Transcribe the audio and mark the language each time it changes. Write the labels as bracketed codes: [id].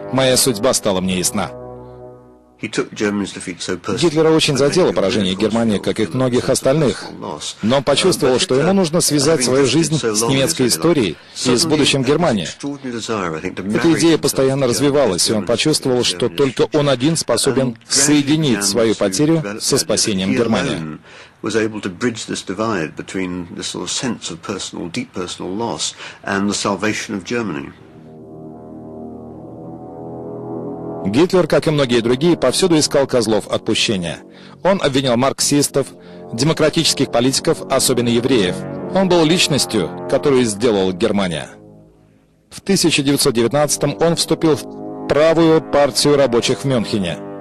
[ru] Моя судьба стала мне ясна». Гитлера очень задело поражение Германии, как и многих остальных. Но он почувствовал, что ему нужно связать свою жизнь с немецкой историей и с будущим Германии. Эта идея постоянно развивалась, и он почувствовал, что только он один способен соединить свою потерю со спасением Германии. [en] Was able to bridge this divide between this sort of sense of personal, deep personal loss and the salvation of Germany. [ru] Гитлер, как и многие другие, повсюду искал козлов отпущения. Он обвинял марксистов, демократических политиков, особенно евреев. Он был личностью, которую сделала Германия. В 1919-м он вступил в правую партию рабочих в Мюнхене.